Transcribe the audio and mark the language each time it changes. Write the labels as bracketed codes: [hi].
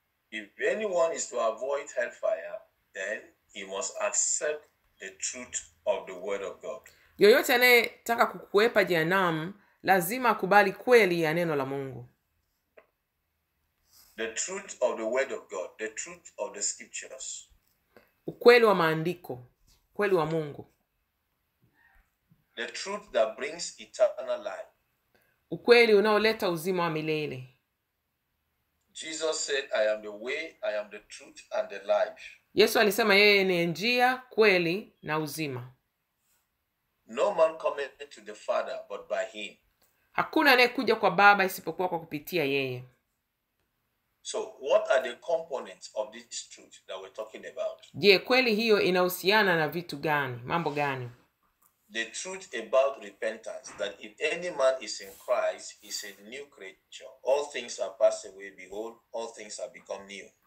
[en] If anyone is to avoid hellfire, then he must accept the truth of the word of God. [sw] Yoyote anayetaka kukuepa jehanamu lazima akubali kweli ya neno la Mungu. [en] The truth of the word of God, the truth of the scriptures. [sw] Ukweli wa maandiko, kweli wa Mungu. [en] The truth that brings eternal life. [sw] Ukweli unaoleta uzima wa milele. [en] Jesus said, I am the way, I am the truth and the life. [sw] Yesu alisema yeye ni njia, kweli na uzima. [en] No man cometh to the Father but by him. [sw] Hakuna anayekuja kwa Baba isipokuwa kwa kupitia yeye. [en] So what are the components of this truth that we're talking about? [sw] Je, kweli hiyo inahusiana na vitu gani? Mambo gani? [en] The truth about repentance, that if any man is in Christ, he is a new creature. All things are passed away, behold, all things have become new.